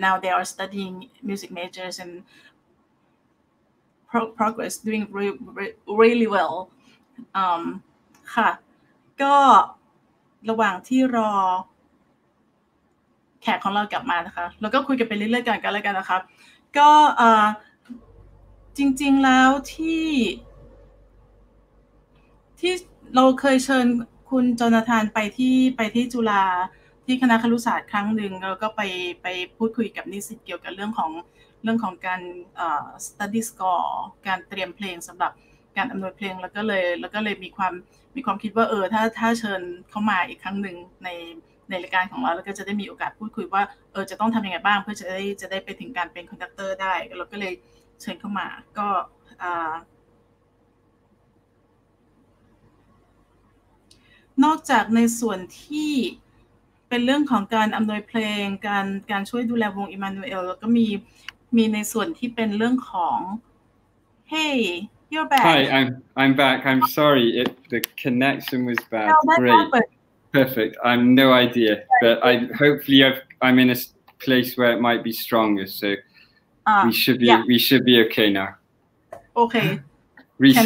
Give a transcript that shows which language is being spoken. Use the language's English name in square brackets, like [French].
[English] Now they are studying music majors and progress doing really well. [Thai] ค่ะก็ระหว่างที่รอแขกของเรากลับมานะคะแล้วก็คุยกันไปเรื่อยๆกันก็แล้วกันนะคะก็จริงๆแล้วที่เราเคยเชิญคุณโจนาธานไปที่จุฬาที่คณะครุศาสตร์ครั้งหนึ่งแล้วก็ไปพูดคุยกับนิสิตเกี่ยวกับเรื่อง ของการstudy score การเตรียมเพลงสำหรับการอำนวยเพลงแล้วก็เลยมีความคิดว่าถ้าเชิญเข้ามาอีกครั้งหนึ่งในรายการของเราแล้วก็จะได้มีโอกาสพูดคุยว่าจะต้องทำยังไงบ้างเพื่อจะได้ไปถึงการเป็นคอนดักเตอร์ได้เราก็เลยเชิญเข้ามาก็ นอกจากในส่วนที่เป็นเรื่องของการอำนวยเพลงการช่วยดูแลวงอิมานูเอลแล้วก็มีในส่วนที่เป็นเรื่องของ [English] Hey you're back Hi I'm back I'm sorry if the connection was bad Great Perfect. I have no idea, but I'm in a place where it might be stronger, so we should be okay now. Okay. Reset.